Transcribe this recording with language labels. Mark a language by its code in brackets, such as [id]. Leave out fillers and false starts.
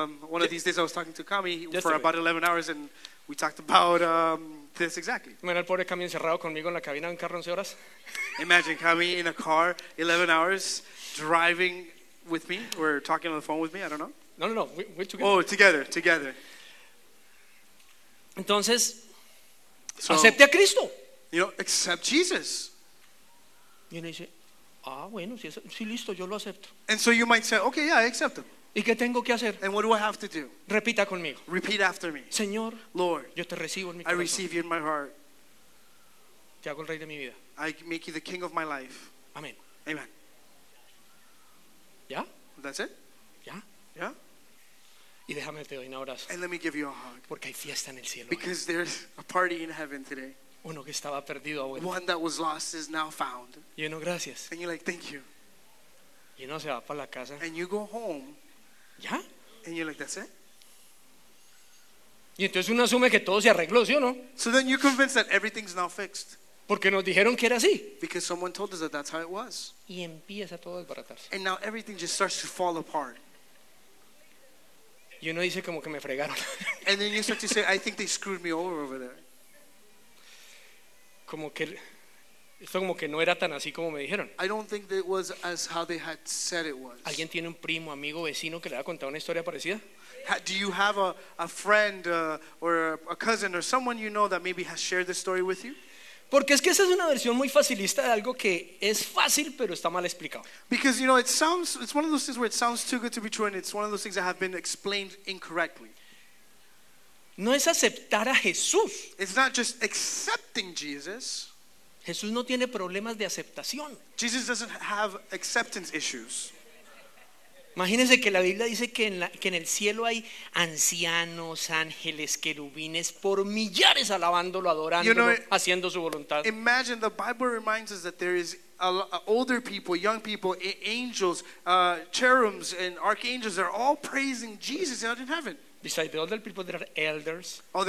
[en] One of these days I was talking to Cami for about 11 hours and we talked about this exactly. [es] Mira el pobre Cami encerrado conmigo en la cabina en carro 11 horas. [en] Imagine Cami in a car 11 hours driving with me or talking on the phone with me, I don't know. No, we're together. Oh, together. [es] Entonces, so, acepte a Cristo. [en] You know, accept Jesus. [es] Y uno dice, ah, bueno, sí, listo, yo lo acepto. [en] And so you might say, okay, yeah, I accept him. [es] ¿Y qué tengo que hacer? [en] And what do I have to do? [es] Repita conmigo. [en] Repeat after me. [es] Señor, [en] Lord, [es] yo te recibo en mi [en] I receive you in my heart. [es] Te hago el rey de mi vida. [en] I make you the king of my life. [es] Amén. [en] Amen. [es] ¿Ya? [en] That's it? [es] ¿Ya? ¿Ya? Y déjame te doy un abrazo. [en] And let me give you a hug. [es] Porque hay fiesta en el cielo. [en] Because there's a party in heaven today. [es] Uno que estaba perdido, abuelo. [en] One that was lost is now found. [es] Y uno, gracias. [en] And you're like, thank you. [es] Y uno se va para la casa. [en] And you go home. [es] ¿Ya? [en] And you're like, that's it. [es] Y entonces uno asume que todo se arregló, ¿sí o no? [en] So then you're convinced that everything's now fixed. [es] Porque nos dijeron que era así. [en] Because someone told us that that's how it was. [es] Y empieza todo a desbaratarse. [en] And now everything just starts to fall apart. [es] Y uno dice como que me fregaron. [en] And then you start to say, I think they screwed me over there. [es] Como que esto como que no era tan así como me dijeron. [en] I don't think that it was as how they had said it was. [es] ¿Alguien tiene un primo, amigo, vecino que le ha contado una historia parecida? [en] Do you have a friend or a cousin or someone you know that maybe has shared this story with you? [es] Porque es que esa es una versión muy facilista de algo que es fácil pero está mal explicado. [en] Because you know it sounds, it's one of those things where it sounds too good to be true, and it's one of those things that have been explained incorrectly. [es] No es aceptar a Jesús. [en] It's not just accepting Jesus. [es] Jesús no tiene problemas de aceptación. [en] Jesus doesn't have acceptance issues. [es] Imagínense que la Biblia dice que en, la, que en el cielo hay ancianos, ángeles, querubines, por millares alabándolo, adorándolo, [en] you know, [es] haciendo su voluntad. [en] Imagine, the Bible reminds us that there is a older people, young people, angels, cherubs and archangels, they're all praising Jesus out in heaven. Besides the older people, there are elders.